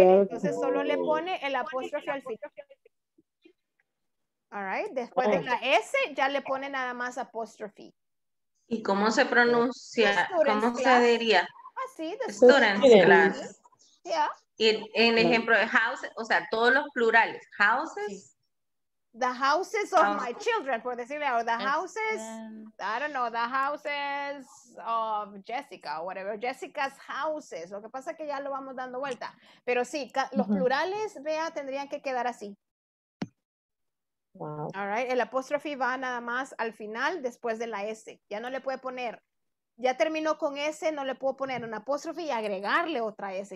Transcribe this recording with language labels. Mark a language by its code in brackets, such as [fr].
[es] entonces sí. Solo le pone el apóstrofe al final. [en] All right. [es] Después uh-huh. de la S, ya le pone nada más apóstrofe. ¿Y cómo se pronuncia? ¿Cómo [en] class? [es] Se diría? Así, ah, [en] students class. [es] Sí. [en] Yeah. [es] En ejemplo de houses, o sea, todos los plurales. [en] Houses. The houses of my children, [es] por decirle, [en] or the houses, I don't know, the houses of Jessica, or whatever. Jessica's houses. [es] Lo que pasa es que ya lo vamos dando vuelta. Pero sí, los plurales, vea, tendrían que quedar así. [en] Wow. All right. [es] El apóstrofe va nada más al final después de la S. Ya no le puede poner. Ya terminó con S, no le puedo poner un apóstrofe y agregarle otra S.